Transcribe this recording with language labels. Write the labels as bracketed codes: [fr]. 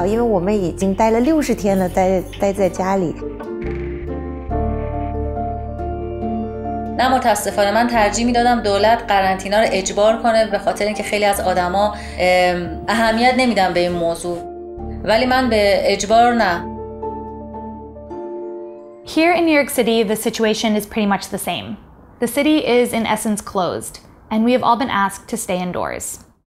[zh] 所以现在呢，虽然还是在疫情中，但是我们的政府已经要求，我们大部分的人都，就是复工了，都已经回去工作岗位。但是我觉得人民自己，就是大家，尤其我的朋友们，都会比较害怕出去，不要碰到，因为我们已经待了60天了，待在家里。 [fa] متاسفانه من ترجیح میدادم دولت قرنطینه رو اجبار کنه به خاطر اینکه خیلی از آدما اهمیت نمیدن به این موضوع. ولی من به اجبار نه. [en] Here in New York City, the situation is pretty much the same. The city is in essence closed, and we have all been asked to stay indoors.